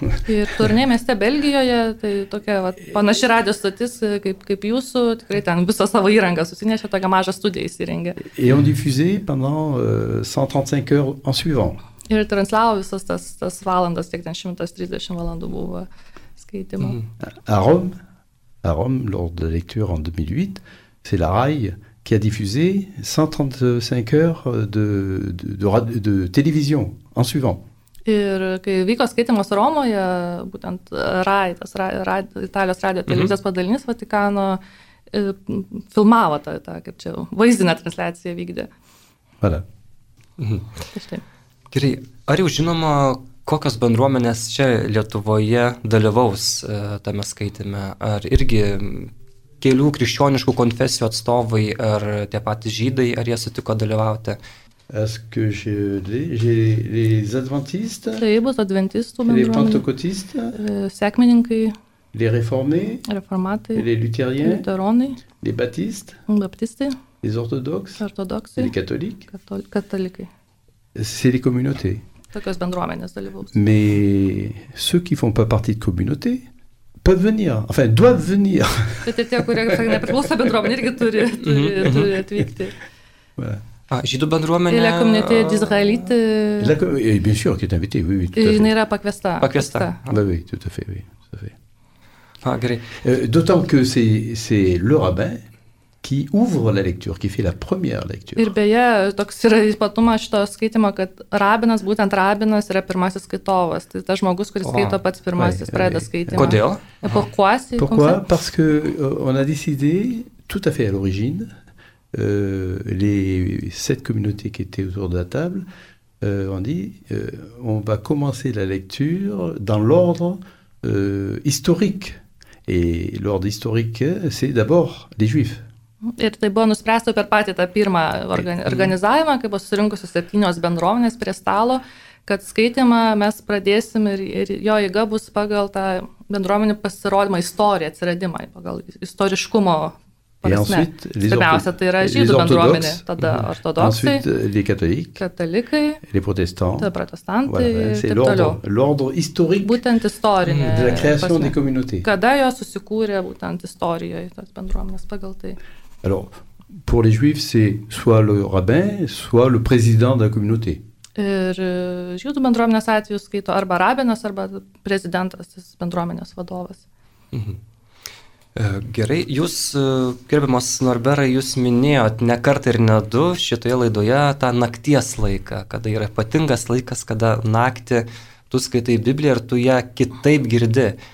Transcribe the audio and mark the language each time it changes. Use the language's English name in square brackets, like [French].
[Lithuanian] Ir Tournai mieste Belgijoje, tai tokia va, panaši radio stotis, kaip jūsų, tikrai ten visą savo įrangą susinešė, tokią mažą studiją įsirengė. [French] Et on diffusait pendant 135 heures en suivant. [Lithuanian] Ir transliavo visas tas valandas, tiek ten 130 valandų buvo skaitimo. [French] À Rome, lors de la lecture en 2008, c'est la RAI qui a diffusé 135 heures de télévision en suivant. [Lithuanian] Ir kai vyko skaitimas Romoje, būtent RAI, tas Italijos radio televizijos padalinis Vatikano, filmavo tą kaip čia, vaizdinę transliaciją vykdė. Vada. Gerai, ar jau žinoma, kokios bendruomenės čia Lietuvoje dalyvaus tame skaitime? Ar irgi kelių krikščioniškų konfesijų atstovai, ar tie patys žydai, ar jie sutiko dalyvauti? [French] Est-ce que j'ai les adventistes? [Lithuanian] Tai bus adventistų bendruomenė. [French] Les pentecôtistes? [Lithuanian] Sekmininkai. [French] Les réformés? [Lithuanian] Reformatai. [French] Les luthériens? [Lithuanian] Luteronai. [French] Les baptistes? [Lithuanian] Baptistai. [French] Les orthodoxes? [Lithuanian] Ortodoksai. [French] Les catholiques? [Lithuanian] Katalikai. [French] C'est les communautés. [Lithuanian] Tokios bendruomenės dalyvaus. [French] Mais ceux qui font pas partie de communauté peuvent venir, enfin doivent venir. [Lithuanian] Bet tie, kurie nepriklauso bendruomenė, irgi turi atvykti. [French] Voilà. [Lithuanian] Žydų bendruomenė. [French] Et la communauté d'Israélite. Bien sûr, qui est invité, oui, tout à fait. [Lithuanian] Il n'era pakvesta. Pakvesta. [French] Oui, tout à fait, oui, tout à fait. [Lithuanian] Ah, gerai. [French] D'autant que c'est le rabbin qui ouvre la lecture, qui fait la première lecture. [Lithuanian] Ir beje, toks yra ypatumas šito skaitimo, kad rabinas, būtent rabinas, yra pirmasis skaitovas. Tai tas žmogus, kuris skaito pats pirmasis, pradeda skaitimą. Kodėl? [French] Pourquoi? Parce que on a décidé, tout à fait à l'origine, les sept communautés qui étaient autour de la table, On dit, on va commencer la lecture dans l'ordre historique. Et l'ordre historique, c'est d'abord les Juifs. [Lithuanian] Ir tai buvo nuspręsta per patį tą pirmą organizavimą, kai buvo susirinkusios 7 bendruomenės prie stalo, kad skaitymą mes pradėsim ir jo eiga bus pagal tą bendruomenį pasirodymą, istoriją, atsiradimą, pagal istoriškumo prasme. Pirmiausia, tai yra žydų bendruomenė, tada ortodoksai, katalikai, protestantai ir būtent istorinė, prasme, kada jo susikūrė būtent istorijoje tos bendruomenės pagal tai. [French] Alors, pour les Juifs, c'est soit le rabbin, soit le président de la communauté. [Lithuanian] Ir žydų bendruomenės atveju skaito arba rabinas, arba prezidentas, bendruomenės vadovas. Gerai, jūs, gerbiamas Norberai, jūs minėjot ne kartą ir ne du šitoje laidoje tą nakties laiką, kada yra ypatingas laikas, kada naktį tu skaitai Bibliją ir tu ją kitaip girdi.